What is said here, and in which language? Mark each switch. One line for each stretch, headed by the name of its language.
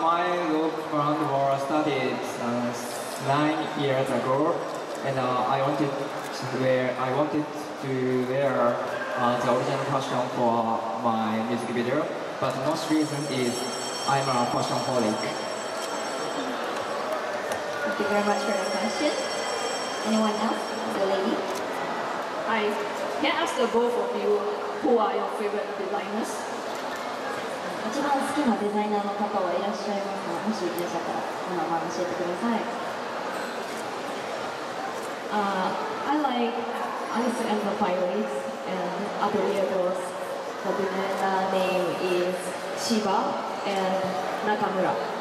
English: My look brand was started 9 years ago and I wanted to wear the original fashion for my music video, but the most reason is I'm a fashion holic. Thank you very much for the question. Anyone else? The lady? Hi. Can I ask the both of you who are your favorite designers?
Japanese: 一番好きなデザイナーの方はいらっしゃいますか？もしいらっしゃったら、今は教えてください。
English: I like Alice and the Pirates and Atelier Girls. The designer name is Shiba and Nakamura.